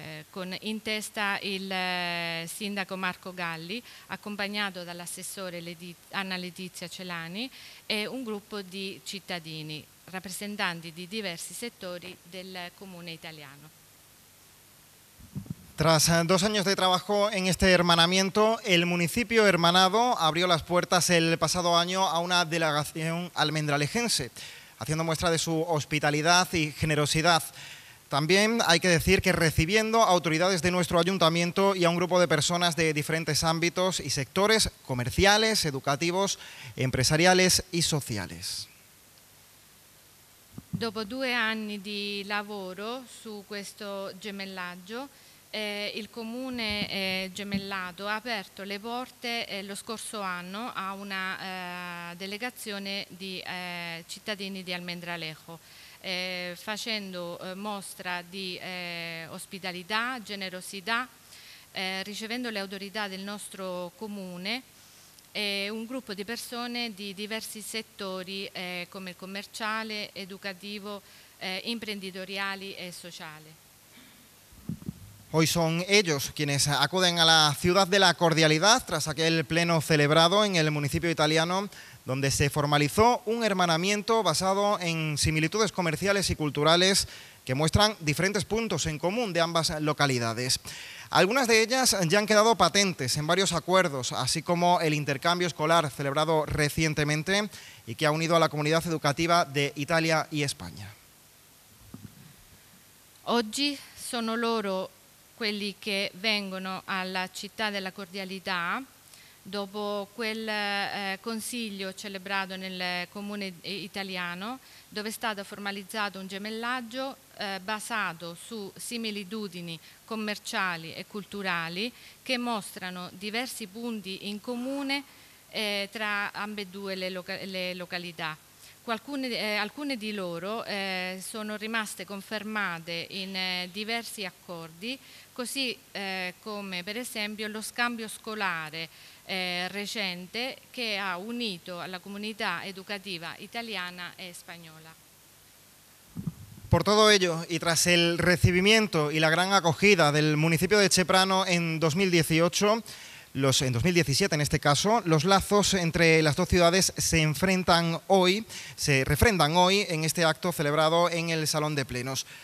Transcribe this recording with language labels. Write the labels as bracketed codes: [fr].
[it] con in testa il sindaco Marco Galli, accompagnato dall'assessore Anna Letizia Celani e un gruppo di cittadini, rappresentanti di diversi settori del comune italiano. [es] Tras dos años de trabajo en este hermanamiento, el municipio hermanado abrió las puertas el pasado año a una delegación almendralejense, haciendo muestra de su hospitalidad y generosidad. También hay que decir que recibiendo autoridades de nuestro ayuntamiento y a un grupo de personas de diferentes ámbitos y sectores comerciales, educativos, empresariales y sociales. [it] Dopo due anni di lavoro su questo gemellaggio, il comune gemellato ha aperto le porte lo scorso anno a una delegazione di cittadini di Almendralejo, facendo mostra di ospitalità, generosità, ricevendo le autorità del nostro comune e un gruppo di persone di diversi settori come il commerciale, educativo, imprenditoriali e sociale. [es] Hoy son ellos quienes acuden a la ciudad de la cordialidad tras aquel pleno celebrado en el municipio italiano donde se formalizó un hermanamiento basado en similitudes comerciales y culturales que muestran diferentes puntos en común de ambas localidades. Algunas de ellas ya han quedado patentes en varios acuerdos, así como el intercambio escolar celebrado recientemente y que ha unido a la comunidad educativa de Italia y España. [it] Hoy son loro quelli che vengono alla città della cordialità dopo quel consiglio celebrato nel comune italiano dove è stato formalizzato un gemellaggio basato su similitudini commerciali e culturali che mostrano diversi punti in comune tra ambedue le località. Alcune di loro sono rimaste confermate in diversi accordi, così come per esempio lo scambio scolare recente che ha unito alla comunità educativa italiana e spagnola. [es] Por todo ello y tras el recibimiento y la gran acogida del municipio de Ceprano en 2018, en 2017 en este caso, los lazos entre las dos ciudades se refrendan hoy en este acto celebrado en el Salón de Plenos.